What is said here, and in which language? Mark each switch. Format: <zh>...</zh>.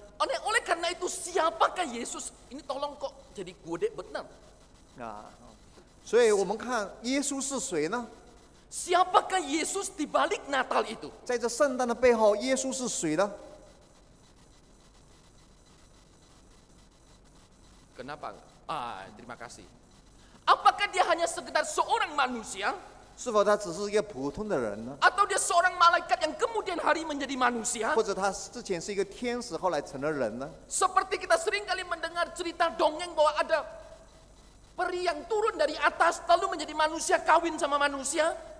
<id>Oleh karena itu siapakah Yesus? Ini tolong kok jadi gude benar.</id> <zh>所以我们看耶稣是谁呢？</zh> <id>Siapakah Yesus di balik Natal itu?</id> <zh>在这圣诞的背后，耶稣是谁呢？</zh> <id>Kenapa? Terima kasih. Apakah dia hanya sekedar seorang manusia?</id> <zh>是否他只是一个普通的人呢？</zh> <id>Atau dia seorang malaikat yang kemudian hari menjadi manusia?</id> <zh>或者他之前是一个天使，后来成了人呢？</zh> <id>Seperti kita seringkali mendengar cerita dongeng bahwa ada peri yang turun dari atas lalu menjadi manusia kawin sama manusia?</id>